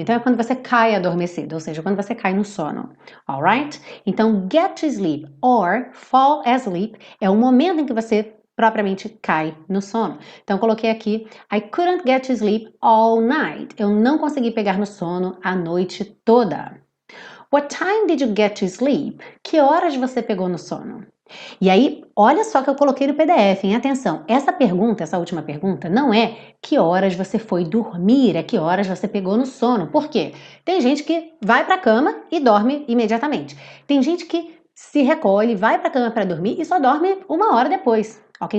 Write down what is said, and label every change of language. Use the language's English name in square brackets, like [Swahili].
[Portuguese] Então é quando você cai adormecido, ou seja, quando você cai no sono. Alright? Então get to sleep or fall asleep é o momento em que você propriamente cai no sono. Então eu coloquei aqui, [English] I couldn't get to sleep all night. [Portuguese] Eu não consegui pegar no sono a noite toda. [English] What time did you get to sleep? [Portuguese] Que horas você pegou no sono? E aí, olha só que eu coloquei no PDF, hein? Atenção, essa pergunta, essa última pergunta, não é que horas você foi dormir, é que horas você pegou no sono. Por quê? Tem gente que vai para a cama e dorme imediatamente. Tem gente que se recolhe, vai para a cama para dormir e só dorme uma hora depois, ok?